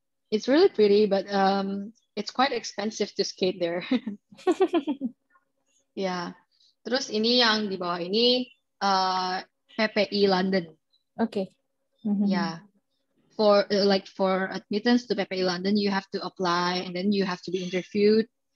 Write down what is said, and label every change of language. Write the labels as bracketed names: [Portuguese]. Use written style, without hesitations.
[English] It's really pretty, but it's quite expensive to skate there. [Indonesian] Terus ini yang di bawah ini PPI London. [English] Okay. For admittance to PPI London, you have to apply and then you have to be interviewed.